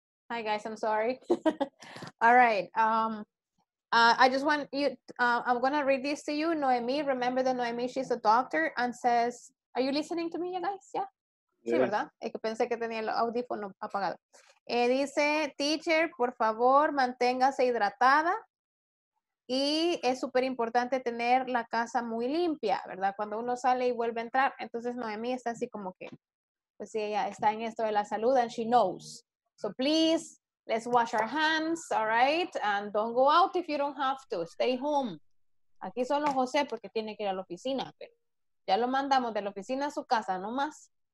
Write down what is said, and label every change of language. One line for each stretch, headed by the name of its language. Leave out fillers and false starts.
English: Hi guys, I'm sorry. All right. I just want you, I'm gonna read this to you. Noemi, remember that Noemi, she's a doctor and says, are you listening to me, you guys? Yeah. Yes.
Spanish: Sí, ¿verdad? Es que pensé que tenía el audífono apagado. Dice, teacher, por favor, manténgase hidratada. Y es súper importante tener la casa muy limpia, ¿verdad? Cuando uno sale y vuelve a entrar. Entonces Noemi está así como que, pues sí, ella está en esto de la salud
English: and she knows. So please, let's wash our hands, all right? And don't go out if you don't have to. Stay home.
Spanish: Aquí solo José porque tiene que ir a la oficina. Pero ya lo mandamos de la oficina a su casa, no más.